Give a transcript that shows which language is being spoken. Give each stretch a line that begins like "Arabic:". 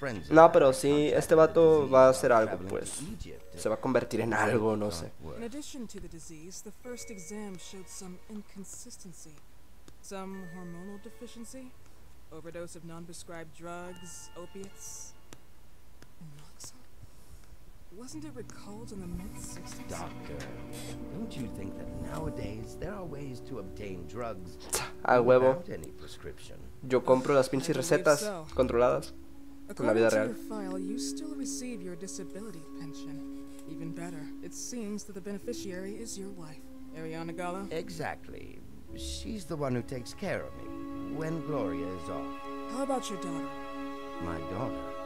Spanish: No, pero sí, este vato va a hacer algo, pues. Se va a convertir en algo, no sé.
English: In addition to the disease, the first exam showed some inconsistency. Some hormonal deficiency, overdose of non-prescribed drugs, opiates. Wasn't it recalled in the mid-60s? Doctor, don't you think that nowadays there are ways to obtain drugs
Spanish: a huevo.
English: Without any prescription?
Spanish: Yo compro las pinches recetas controladas en la vida real.
English: According to your file, you still receive your disability pension. Even better, it seems that the beneficiary is your wife, Ariana Gallo. Exactly. She's the one who takes care of me when Gloria is off. How about your daughter? My daughter?